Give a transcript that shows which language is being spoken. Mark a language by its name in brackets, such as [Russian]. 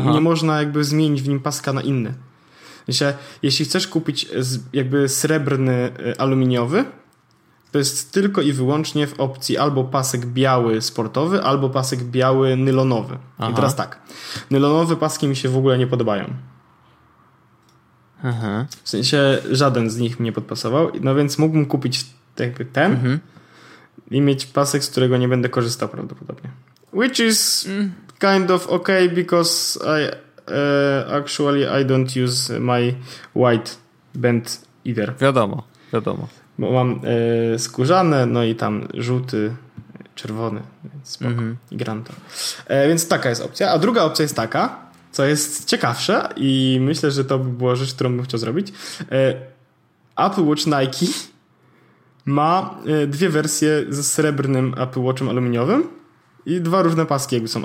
[Polish] Aha. I nie można jakby zmienić w nim paska na inny. Myślę, jeśli chcesz kupić jakby srebrny aluminiowy, to jest tylko i wyłącznie w opcji albo pasek biały sportowy, albo pasek biały nylonowy. Aha. I teraz tak, nylonowe paski mi się w ogóle nie podobają. Aha. W sensie żaden z nich mnie podpasował, no więc mógłbym kupić jakby ten i mieć pasek, z którego nie będę korzystał prawdopodobnie. [English] Which is kind of okay, because I actually I don't use my white band either. [Polish] Wiadomo, wiadomo. Bo mam skórzane, no i tam żółty, czerwony, więc spoko. Mm-hmm. Granto. Więc taka jest opcja. A druga opcja jest taka, co jest ciekawsze i myślę, że to by była rzecz, którą bym chciał zrobić. Apple Watch Nike ma dwie wersje ze srebrnym Apple Watchem aluminiowym i dwa różne paski jakby są.